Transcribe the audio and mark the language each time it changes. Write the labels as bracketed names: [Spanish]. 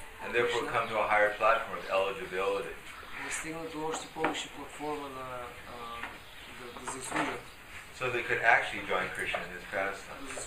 [English] And therefore come to a higher platform of eligibility. [Bulgarian] Да стигнат до още повече платформа на да заслужат. [English] So they could actually join Krishna in his pastime.